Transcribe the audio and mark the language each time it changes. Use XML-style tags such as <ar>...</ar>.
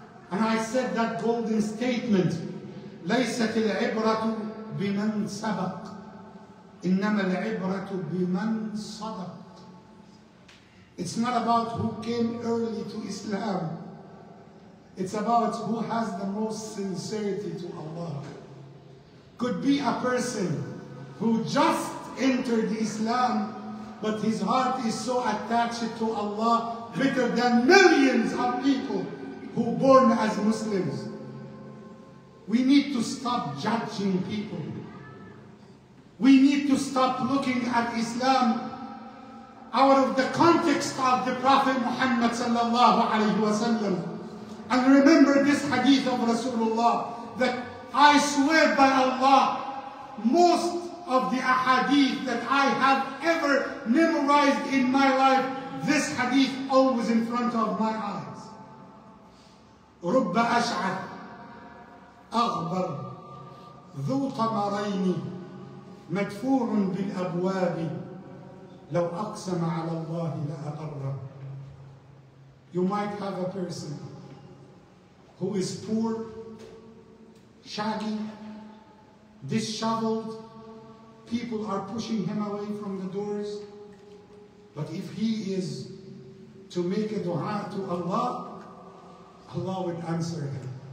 <en>And I said that golden statement,</en> <ar>ليست العبرة بمن سبق إنما العبرة بمن صدق.</ar> <en>It's not about who came early to Islam. It's about who has the most sincerity to Allah. Could be a person who just entered Islam, but his heart is so attached to Allah, better than millions of people who born as Muslims. We need to stop judging people. We need to stop looking at Islam out of the context of the Prophet Muhammad sallallahu alaihi wasallam. And remember this hadith of Rasulullah, that I swear by Allah, most of the ahadith that I have ever memorized in my life, this hadith always in front of my eyes.</en> <ar>رب أشعر أغبر ذو طمرين مدفوع بالأبواب لو أقسم على الله لأقرر.</ar> <en>You might have a person who is poor, shaggy, disheveled. People are pushing him away from the doors. But if he is to make a dua to Allah, Allah would answer him.</en>